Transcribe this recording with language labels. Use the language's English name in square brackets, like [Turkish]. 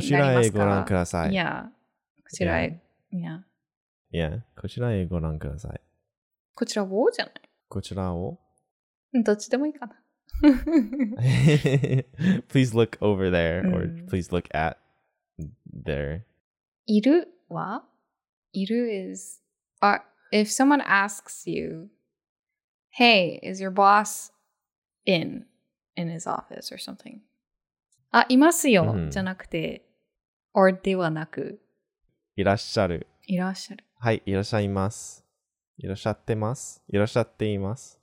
[Japanese] そちらへご覧ください。 Yeah. そちらへ, yeah. いや、こちら英語欄ください。こちらをじゃない。こちらを。どっちでもいいかな。 [English] Please look over there or please look at there. [Japanese] いるは？ [English] いる is if someone asks you, "Hey, is your boss in his office or something?" [Japanese] あ、いますよ、mm-hmm. じゃなくて、or ではなく、いらっしゃる。いらっしゃる。はい、いらっしゃいます。いらっしゃってます。いらっしゃっています。